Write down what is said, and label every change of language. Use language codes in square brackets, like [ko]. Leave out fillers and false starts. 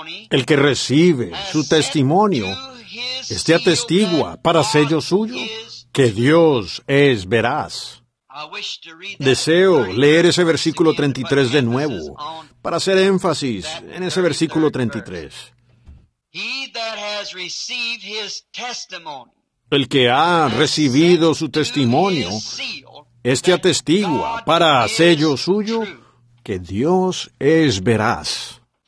[es] El que recibe su testimonio, este atestigua para sello suyo que Dios es veraz. Deseo leer ese versículo 33 de nuevo, para hacer énfasis en ese versículo 33. [en] He that has received his testimony. [es] El que ha recibido su testimonio, este atestigua para sello suyo que Dios es veraz.